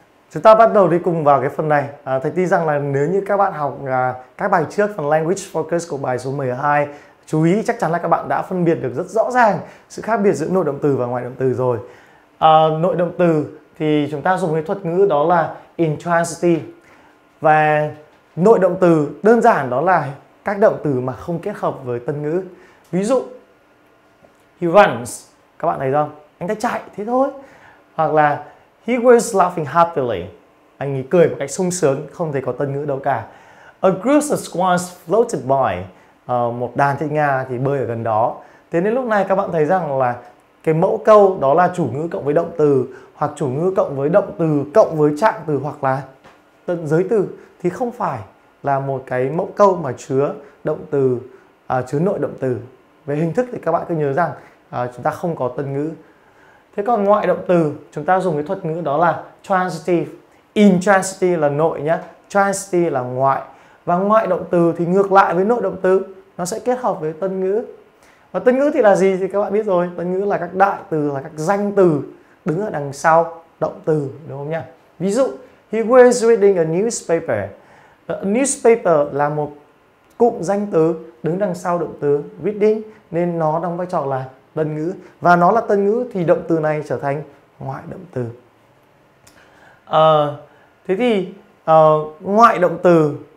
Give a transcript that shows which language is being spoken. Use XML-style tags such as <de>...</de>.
<vi>Chúng ta bắt đầu đi cùng vào cái phần này. Thầy tin rằng là nếu như các bạn học các bài trước, phần Language Focus của bài số 12, chú ý chắc chắn là các bạn đã phân biệt được rất rõ ràng sự khác biệt giữa nội động từ và ngoại động từ rồi. Nội động từ thì chúng ta dùng cái thuật ngữ đó là intensity. Và nội động từ đơn giản đó là các động từ mà không kết hợp với tân ngữ. Ví dụ,</vi> <en>he runs.</en> <vi>Các bạn thấy không? Anh ta chạy, thế thôi. Hoặc là</vi> <en>he was laughing happily.</en> <vi>Anh ấy cười một cách sung sướng, không thể có tân ngữ đâu cả.</vi> <en>A group of swans floated by.</en> <vi>Một đàn thiên nga thì bơi ở gần đó. Thế nên lúc này các bạn thấy rằng là cái mẫu câu đó là chủ ngữ cộng với động từ, hoặc chủ ngữ cộng với động từ cộng với trạng từ hoặc là tận giới từ, thì không phải là một cái mẫu câu mà chứa động từ, chứa nội động từ. Về hình thức thì các bạn cứ nhớ rằng chúng ta không có tân ngữ. Thế còn ngoại động từ, chúng ta dùng cái thuật ngữ đó là transitive. Intransitive là nội nhé, transitive là ngoại. Và ngoại động từ thì ngược lại với nội động từ, nó sẽ kết hợp với tân ngữ. Và tân ngữ thì là gì thì các bạn biết rồi. Tân ngữ là các đại từ, là các danh từ đứng ở đằng sau động từ, đúng không nhỉ? Ví dụ,</vi> <en>he was reading a newspaper.</en> <vi>A newspaper là một cụm danh từ đứng đằng sau động từ reading, nên nó đóng vai trò là tân ngữ. Và nó là tân ngữ thì động từ này trở thành ngoại động từ. Thế thì ngoại động từ</vi>